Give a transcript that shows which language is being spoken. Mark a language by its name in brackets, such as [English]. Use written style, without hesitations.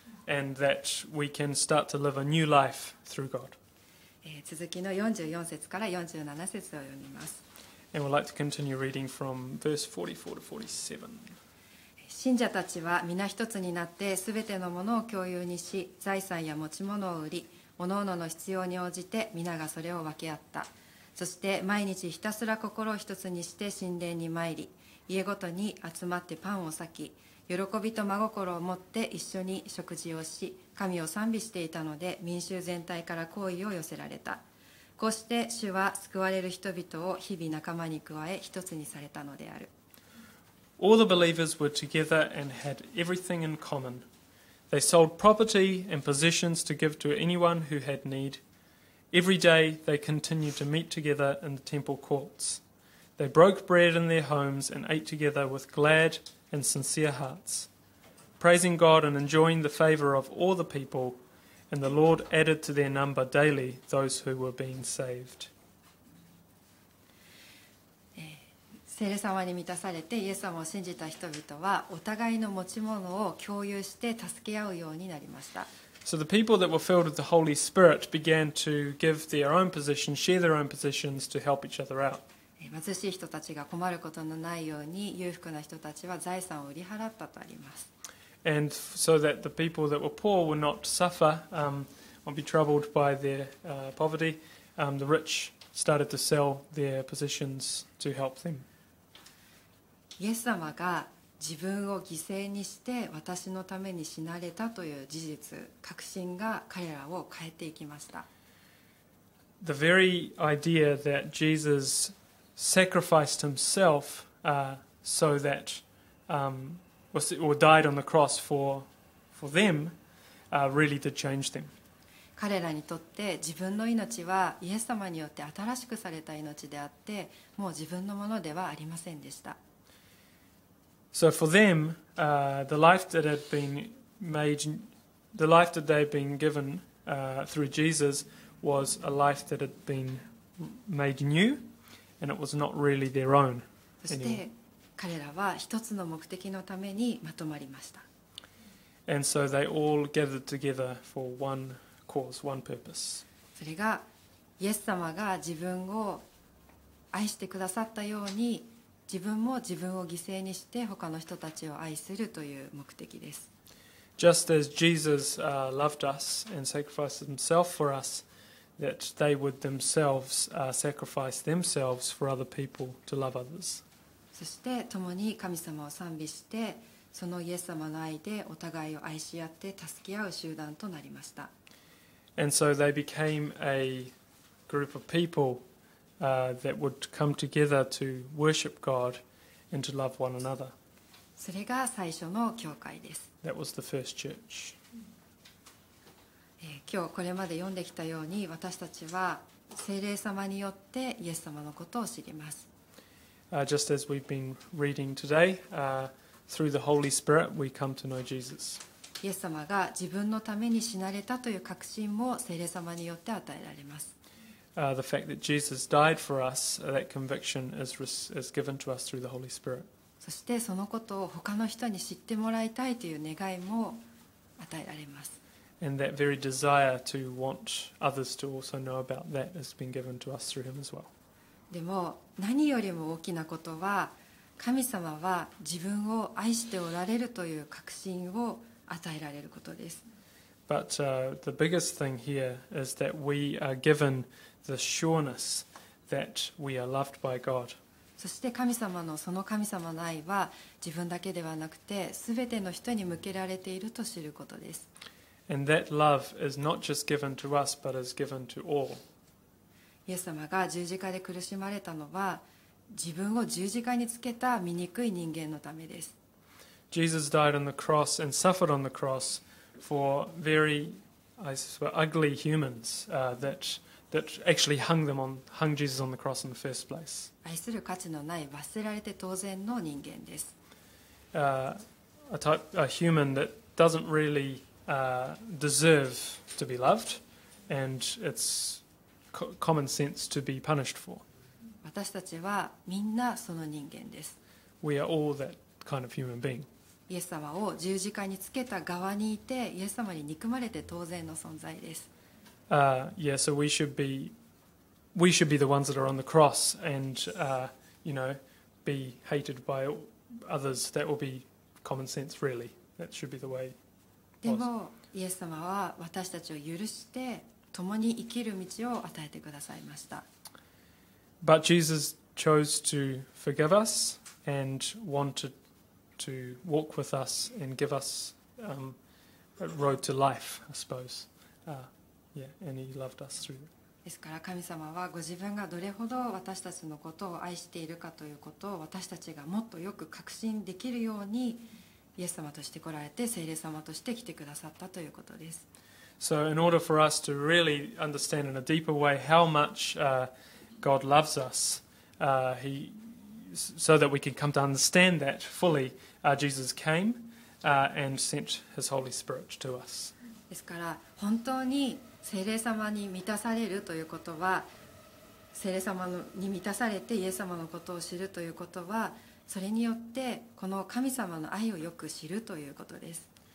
[English] And that we can start to live a new life through God. [Japanese] 続きの44節から47節を読みます。 [English] And we'd like to continue reading from verse 44 to 47. [Japanese] 信者たちは皆一つになって、すべてのものを共有にし、財産や持ち物を売り、おのおのの必要に応じて皆がそれを分け合った。そして毎日ひたすら心を一つにして神殿に参り、家ごとに集まってパンを裂き、喜びと真心を持って一緒に食事をし、神を賛美していたので民衆全体から好意を寄せられた。こうして主は救われる人々を日々仲間に加え一つにされたのである。 [English] All the believers were together and had everything in common. They sold property and possessions to give to anyone who had need. Every day they continued to meet together in the temple courts. They broke bread in their homes and ate together with glad and sincere hearts, praising God and enjoying the favor of all the people, and the Lord added to their number daily those who were being saved. [Japanese] 聖霊様に満たされてイエス様を信じた人々はお互いの持ち物を共有して助け合うようになりました。 [English] So the people that were filled with the Holy Spirit began to give their own position, share their own positions to help each other out. [Japanese] 貧しい人たちが困ることのないように裕福な人たちは財産を売り払ったとあります。 [English] And so that the people that were poor would not suffer, or be troubled by their poverty, the rich started to sell their positions to help them. [Japanese] イエス様が自分を犠牲にして私のために死なれたという事実、確信が彼らを変えていきました。 [English] The very idea that Jesus sacrificed himself, so that, or died on the cross for them, really did change them. [Japanese] 彼らにとって自分の命はイエス様によって新しくされた命であって、もう自分のものではありませんでした。 [English] So for them, the life that they had been given through Jesus was a life that had been made new, and it was not really their own anymore. [Japanese] そして彼らは一つの目的のためにまとまりました。 [English] And so they all gathered together for one cause, one purpose. [Japanese] それがイエス様が自分を愛してくださったように自分も自分を犠牲にして他の人たちを愛するという目的です。 [English] Just as Jesus loved us and sacrificed himself for us, that they would themselves sacrifice themselves for other people to love others. [Japanese] そして共に神様を賛美して、そのイエス様の愛でお互いを愛し合って助け合う集団となりました。 [English] And so they became a group of peopleThat would come together to worship God and to love one another. [Japanese] それが最初の教会です。 [English] That was the first church. [Japanese] 今日これまで読んできたように私たちは聖霊様によってイエス様のことを知ります。 [English] Just as we've been reading today, through the Holy Spirit, we come to know Jesus. [Japanese] イエス様が自分のために死なれたという確信も聖霊様によって与えられます。 [English] The fact that Jesus died for us, that conviction is given to us through the Holy Spirit. [Japanese] そしてそのことを他の人に知ってもらいたいという願いも与えられます。 [English] And that very desire to want others to also know about that has been given to us through him as well. [Japanese] でも何よりも大きなことは、神様は自分を愛しておられるという確信を与えられることです。 [English] But the biggest thing here is that we are given the sureness that we are loved by God. [Japanese] そして神様のその神様の愛は自分だけではなくて全ての人に向けられていると知ることです。 [English] And that love is not just given to us, but is given to all. [Japanese] イエス様が十字架で苦しまれたのは自分を十字架につけた醜い人間のためです。 [English] Jesus died on the cross and suffered on the cross. For very, I swear, ugly humans, that actually hung Jesus on the cross in the first place. [Japanese] 愛する価値のない罰せられて当然の人間です。 [English] A human that doesn't really deserve to be loved, and it's common sense to be punished for. [Japanese] 私たちはみんなその人間です。 [English] We are all that kind of human being. [Japanese] イエス様を十字架につけた側にいてイエス様に憎まれて当然の存在です。 [English] So we should be the ones that are on the cross and you know, be hated by others. That will be common sense, really. That should be the way. [Japanese] でもイエス様は私たちを許して共に生きる道を与えてくださいました。 [English] But Jesus chose to forgive us and wanted to walk with us and give us a road to life, I suppose. And he loved us through it. [Japanese] ですから神様はご自分がどれほど私たちのことを愛しているかということを私たちがもっとよく確信できるようにイエス様として来られて聖霊様として来てくださったということです。 [English] So in order for us to really understand in a deeper way how much God loves us, so that we can come to understand that fully, Jesus came and sent his Holy Spirit to us. [Japanese] ですから本当に聖霊様に満たされるということは、聖霊様に満たされてイエス様のことを知るということは、それによってこの神様の愛をよく知るということです。